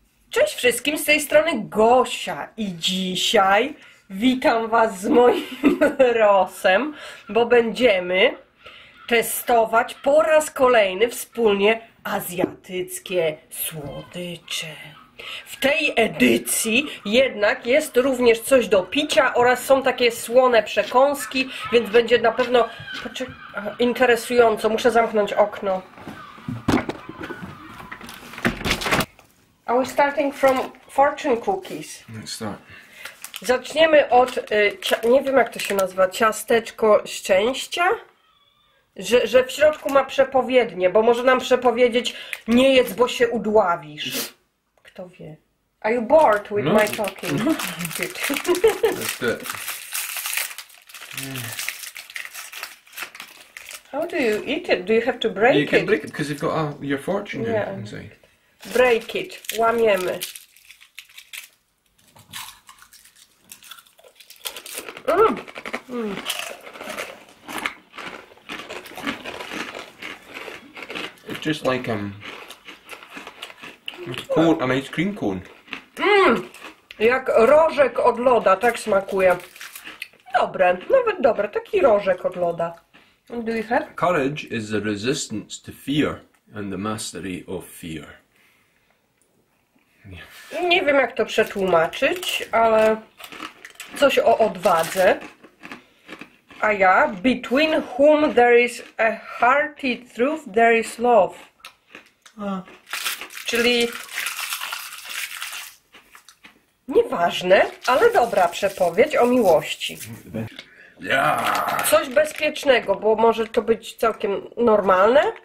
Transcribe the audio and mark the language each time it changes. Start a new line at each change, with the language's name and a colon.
Polish: Cześć wszystkim, z tej strony Gosia. I dzisiaj witam was z moim rosem, bo będziemy testować po raz kolejny wspólnie azjatyckie słodycze. W tej edycji jednak jest również coś do picia oraz są takie słone przekąski, więc będzie na pewno interesująco. Muszę zamknąć okno.
English: Are we starting from fortune cookies? Let's start.
Polish: Zaczniemy od, nie wiem jak to się nazywa, ciasteczko szczęścia? Że w środku ma przepowiednie, bo może nam przepowiedzieć nie jedz, bo się udławisz. Kto wie?
English: Are you bored with my talking? No. Good. That's it. How do you eat it? Do you have to break it? You can break it, because you've got your fortune inside. Break it.
Polish: Łamiemy.
English: Just like cone, an ice cream cone.
Polish: Jak rożek od loda, tak smakuje. Dobre, nawet dobre, taki rożek od loda.
English: Do you have? Courage is the resistance to fear and the mastery of fear.
Polish: Nie wiem jak to przetłumaczyć, ale coś o odwadze.
English: A ja, between whom there is a hearty truth, there is love.
Polish: Czyli nieważne, ale dobra przepowiedź o miłości. Coś bezpiecznego, bo może to być całkiem normalne.